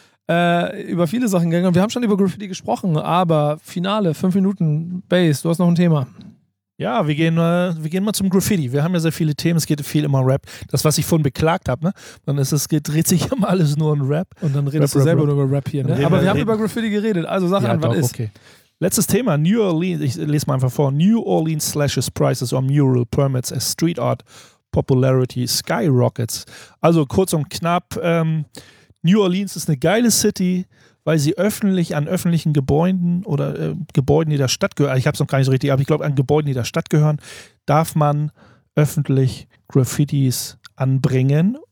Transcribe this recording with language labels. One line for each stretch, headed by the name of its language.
German: über viele Sachen gegangen. Wir haben schon über Graffiti gesprochen, aber Finale, 5 Minuten, Base, du hast noch ein Thema. Ja, wir gehen mal zum Graffiti. Wir haben ja sehr viele Themen, es geht viel immer Rap. Das, was ich vorhin beklagt habe, ne? Dann ist es, dreht sich immer alles nur um Rap. Und dann redest Rap, du selber nur über Rap hier. Ne? Aber wir haben über Graffiti geredet, also sag an, was ist. Okay. Letztes Thema, New Orleans, ich lese mal einfach vor.
English: New Orleans slashes prices on mural permits as street art popularity skyrockets.
German: Also kurz und knapp, New Orleans ist eine geile City, weil sie öffentlich an öffentlichen Gebäuden oder Gebäuden, die der Stadt gehören, ich habe es noch gar nicht so richtig, aber ich glaube, an Gebäuden, die der Stadt gehören, darf man öffentlich Graffitis anbringen.